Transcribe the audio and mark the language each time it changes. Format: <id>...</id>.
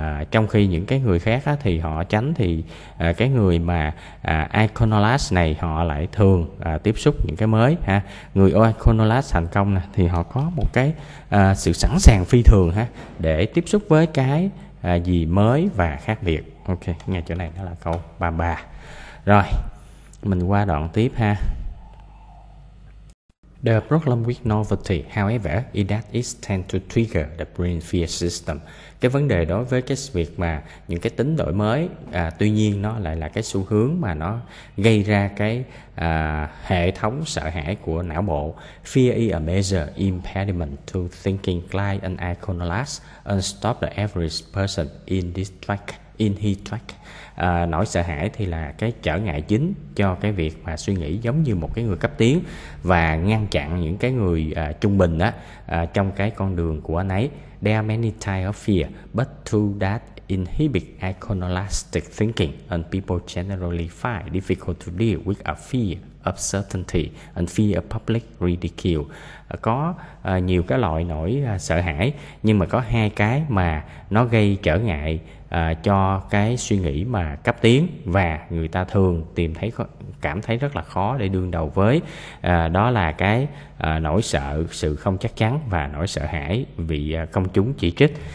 <vi>Trong khi những cái người khác á, thì họ tránh thì cái người mà iconoclast này họ lại thường tiếp xúc những cái mới ha. Người iconoclast thành công nè thì họ có một cái sự sẵn sàng phi thường ha để tiếp xúc với cái gì mới và khác biệt. Ok, ngay chỗ này nó là câu 33. Rồi mình qua đoạn tiếp ha.</vi> <en>The problem with novelty, however, is that it tends to trigger the brain fear system.</en> <vi>Cái vấn đề đối với cái việc mà những cái tính đổi mới, tuy nhiên nó lại là cái xu hướng mà nó gây ra cái hệ thống sợ hãi của não bộ.</vi> <en>Fear is a major impediment to thinking like an iconoclast and stop the average person in this track</en> <vi>Inhibit, nỗi sợ hãi thì là cái trở ngại chính cho cái việc mà suy nghĩ, giống như một cái người cấp tiến và ngăn chặn những cái người trung bình đó trong cái con đường của anh ấy.</vi> <en>There are many types of fear, but two that inhibit iconoclastic thinking and people generally find difficult to deal with a fear of certainty and fear of public ridicule.</en> <vi>Có nhiều cái loại nỗi sợ hãi, nhưng mà có hai cái mà nó gây trở ngại cho cái suy nghĩ mà cấp tiến và người ta thường tìm thấy cảm thấy rất là khó để đương đầu với, đó là cái nỗi sợ sự không chắc chắn và nỗi sợ hãi bị công chúng chỉ trích.</vi>